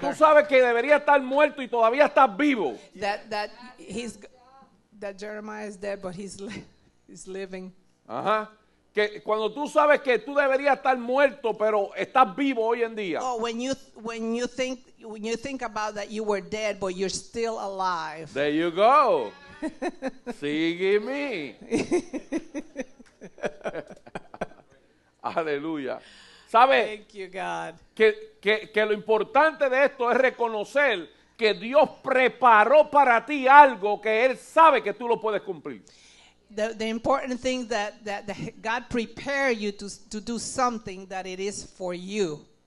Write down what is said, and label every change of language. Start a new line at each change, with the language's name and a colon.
Spanish: Cuando tú sabes que debería estar muerto y todavía estás vivo.
English: That Jeremiah is dead but he's living. Ajá.
Spanish: Que cuando tú sabes que tú deberías estar muerto pero estás vivo hoy en día.
English: Oh, when you think about that you were dead but you're still alive. There you go.
Spanish: Sigue me. Aleluya. ¿Sabes?
English: Thank you God.
Spanish: Que lo importante de esto es reconocer que Dios preparó para ti algo que él sabe que tú lo puedes cumplir.
English: The important thing that God prepare you to do something that it is for you.